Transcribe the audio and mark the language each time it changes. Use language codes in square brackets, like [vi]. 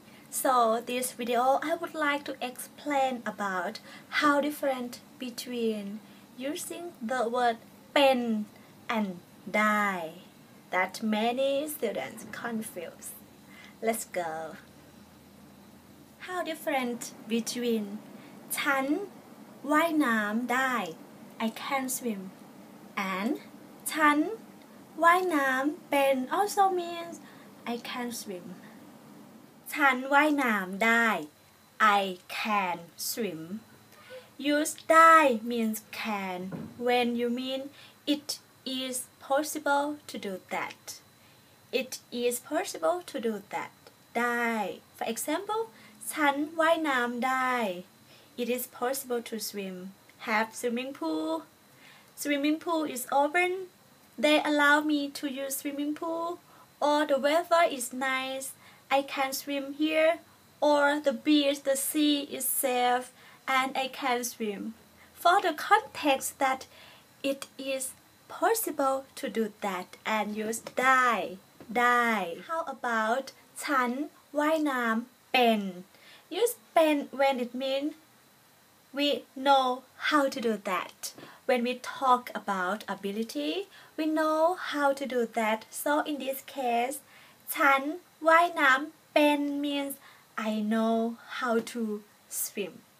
[en] So this video I would like to explain about how different between using the word เป็น and ได้ that many students confuse. Let's go. How different between [th] ฉันว่ายน้ำได้ [en] I can swim and [th] ฉันว่ายน้ำเป็น [en] also means I can swim. [th] ฉันว่ายน้ำได้ [en] I can swim. Use ได้ means can when you mean it is possible to do that. It is possible to do that. ได้ For example, [th] ฉันว่ายน้ำได้ [en] It is possible to swim. Have swimming pool. Swimming pool is open. They allow me to use swimming pool, or the weather is nice, I can swim here, or the beach, the sea is safe, and I can swim. For the context that it is possible to do that and use ได้. How about [th] ฉันว่ายน้ำเป็น? [en] Use เป็น when it means we know how to do that. When we talk about ability, we know how to do that. So in this case, [th] ฉันว่ายน้ำเป็น [en] means I know how to swim.